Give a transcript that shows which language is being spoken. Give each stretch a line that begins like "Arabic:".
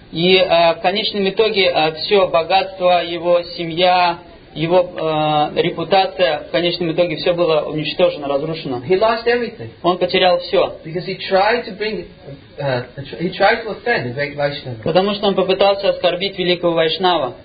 Russian: И в конечном итоге все богатство, его семья, его репутация, в конечном итоге все было уничтожено, разрушено.
English: He lost everything.
Russian: Он потерял все.
English: Because he tried to offend the great Vaishnava.
Russian: Потому что он попытался оскорбить великого Вайшнава.